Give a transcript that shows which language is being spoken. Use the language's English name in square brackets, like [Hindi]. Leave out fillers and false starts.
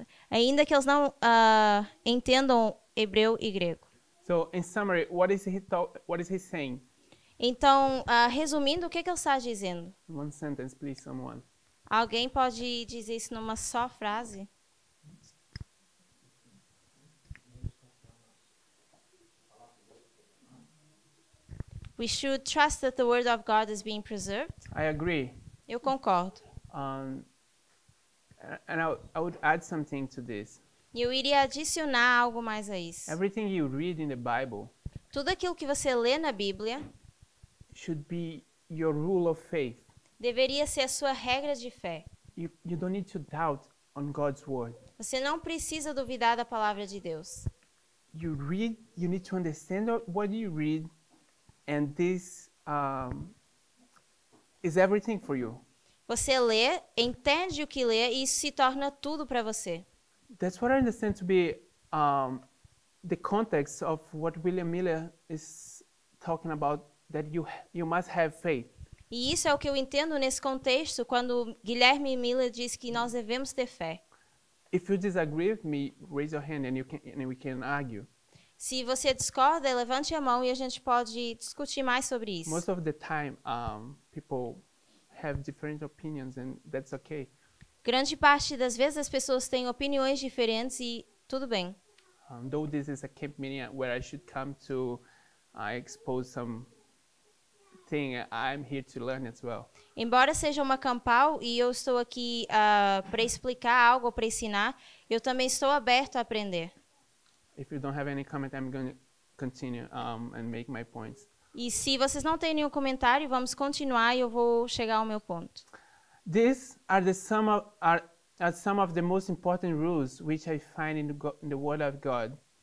[Portuguese] Ainda que eles não entendam hebreu e grego. [English] So, in summary, what is he saying? [Portuguese] Então, resumindo, o que ele está dizendo? [English] One sentence, please, someone. [Portuguese] Alguém pode dizer isso numa só frase? [English] We should trust that the word of God is being preserved. I agree. [Portuguese] Eu concordo. [English] And I would add something to this. [Portuguese] Eu iria adicionar algo mais a isso. [English] Everything you read in the Bible, [Portuguese] tudo aquilo que você lê na Bíblia, [English] should be your rule of faith. [Portuguese] Deveria ser a sua regra de fé. [English] You don't need to doubt on God's word. [Portuguese] Você não precisa duvidar da palavra de Deus. [English] You read, you need to understand what you read, and this is everything for you. [Portuguese] Você lê, entende o que lê e isso se torna tudo para você. [English] That's what I understand to be the context of what William Miller is talking about, that you must have faith. [Portuguese] E isso é o que eu entendo nesse contexto quando Guilherme Miller diz que nós devemos ter fé. [English] If you disagree with me, raise your hand and we can argue. [Portuguese] Se você discorda, levante a mão e a gente pode discutir mais sobre isso. [English] Most of the time, people have different opinions and that's okay. [Portuguese] Grande parte das vezes as pessoas têm opiniões diferentes e tudo bem. [English] Though this is a camp meeting where I should come to expose some thing, I'm here to learn as well. [Portuguese] Embora seja uma campal e eu estou aqui para explicar algo, para ensinar, eu também estou aberto a aprender. [English] If you don't have any comment, I'm going to continue and make my points. [Portuguese] E se vocês não têm nenhum comentário, vamos continuar e eu vou chegar ao meu ponto. [English] These are some of the most important rules which I find in the Word of God.